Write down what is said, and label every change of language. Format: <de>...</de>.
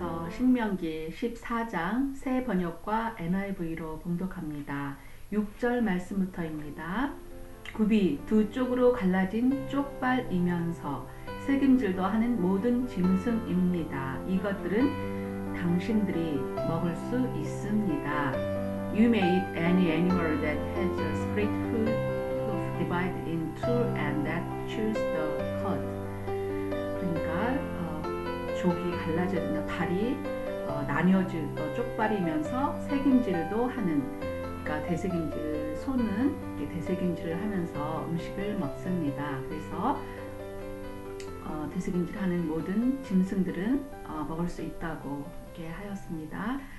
<ko>신명기 14장 새 번역과 NIV로 봉독합니다. 6절 말씀부터입니다. 굽이 두 쪽으로 갈라진 쪽발이면서 새김질도 하는 모든 짐승입니다. 이것들은 당신들이 먹을 수 있습니다.</ko> <en>You may eat any animal that has a split hoof divided in two and that chews the cud.</en> <ko>그러니까 족이 갈라져 있는 다리 나뉘어진 쪽발이면서 새김질도 하는, 그러니까 대새김질, 손은 이렇게 대새김질을 하면서 음식을 먹습니다. 그래서 대새김질 하는 모든 짐승들은 먹을 수 있다고 이렇게 하였습니다.</ko>